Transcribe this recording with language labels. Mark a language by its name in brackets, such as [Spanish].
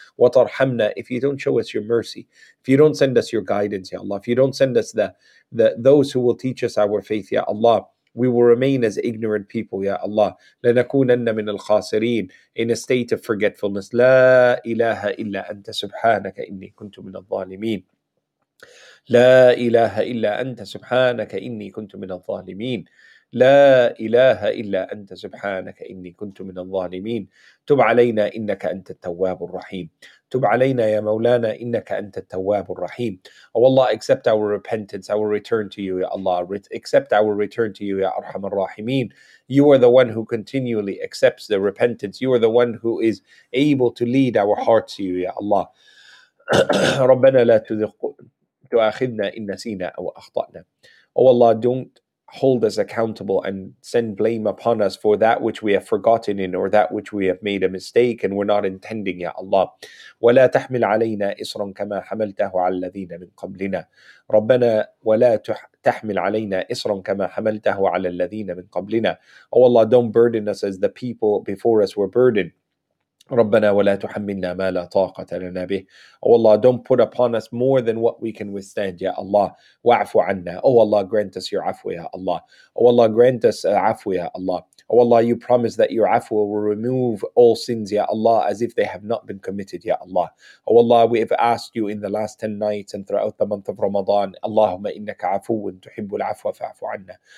[Arabic] وَتَرْحَمْنَا, [English] if you don't show us your mercy, if you don't send us your guidance, Ya Allah, if you don't send us those who will teach us our faith, Ya Allah, we will remain as ignorant people, Ya Allah. [Arabic] لَنَكُونَنَّ مِنَ الْخَاسِرِينَ, [English] in a state of forgetfulness. [Arabic] لَا إِلَهَ إِلَّا أَنْتَ سُبْحَانَكَ إِنِّي كُنْتُ مِنَ الظَّالِمِينَ. لا إله إلا أنت سبحانك إني كنت من الظالمين. لا إله إلا أنت سبحانك إني كنت من الظالمين. تب علينا إنك أنت التواب الرحيم. تب علينا يا مولانا إنك أنت التواب الرحيم. [English] Oh Allah, accept our repentance, our return to you, Ya Allah. Accept our return to you, Ya [Arabic] أرحم الراحمين. [English] You are the one who continually accepts the repentance. You are the one who is able to lead our hearts to you, Ya Allah. [Arabic] ربنا لا تزغ تؤاخذنا إن نسينا أو أخطأنا. [English] Oh Allah, don't hold us accountable and send blame upon us for that which we have forgotten in, or that which we have made a mistake and we're not intending, Ya Allah. [Arabic] ولا تحمل علينا إصرا كما حملته على الذين من قبلنا. ربنا ولا تحمل علينا إصرا كما حملته على الذين من قبلنا. [English] Oh Allah, don't burden us as the people before us were burdened. [Arabic] ربنا ولا تحملنا ما لا طاقة لنا به. [English] Oh Allah, don't put upon us more than what we can withstand, Ya Allah. [Arabic] وعفو عنا. [English] Oh Allah, grant us your afwa, Ya Allah. Oh Allah, grant us afwa, Ya Allah. Oh Allah, you promise that your afwa will remove all sins, Ya Allah, as if they have not been committed, Ya Allah. Oh Allah, we have asked you in the last 10 nights and throughout the month of Ramadan, [Arabic] اللهم إنك عفو تحب العفو فعفو عنا.